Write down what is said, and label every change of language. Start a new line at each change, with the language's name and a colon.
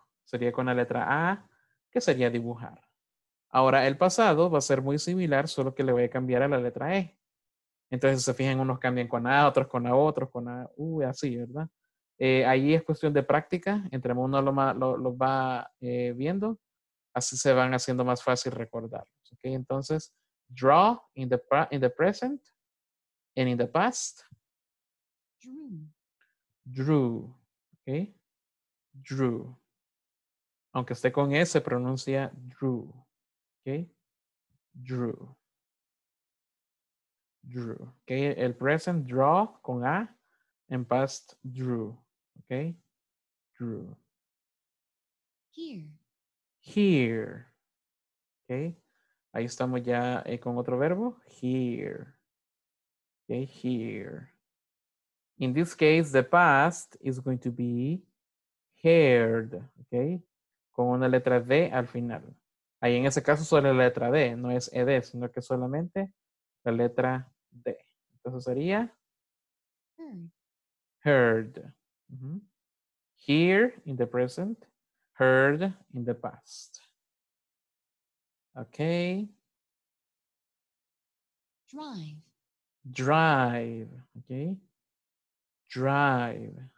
Spanish: Sería con la letra A, que sería dibujar. Ahora el pasado va a ser muy similar, solo que le voy a cambiar a la letra E. Entonces se fijan, unos cambian con A, otros con A, otros con A, U, así, ¿verdad? Ahí es cuestión de práctica. Entre uno lo va viendo, así se van haciendo más fácil recordarlos.
English: ¿Okay?
Spanish: Entonces,
English: draw in the present and in the past. Drew.
Spanish: Drew. ¿Okay? Drew. Aunque esté con E, se pronuncia drew. Okay. Drew.
English: Drew. Okay. El present draw con A. And past drew. Okay. Drew. Here.
Spanish: Here. Okay. Ahí estamos ya con otro verbo. Here. Okay. Here.
English: In this case, the past is going to be heard.
Spanish: Okay. Con una letra D al final. Ahí en ese caso solo la letra D, no es ED, sino que solamente la letra D. Entonces sería
English: heard. Here in the present, heard in the past. Okay. Drive. Drive. Okay. Drive.